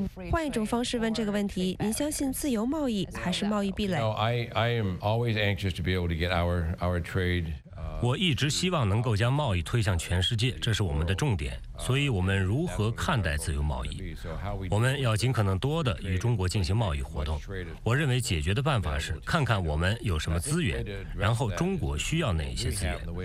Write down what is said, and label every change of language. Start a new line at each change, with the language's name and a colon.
Chinese: 换一种方式问这个问题，您相信自由贸易还是贸易壁垒？
English: I am always anxious to be able to get our trade.
Chinese: 我一直希望能够将贸易推向全世界，这是我们的重点。所以我们如何看待自由贸易？我们要尽可能多地与中国进行贸易活动。我认为解决的办法是看看我们有什么资源，然后中国需要哪些资源。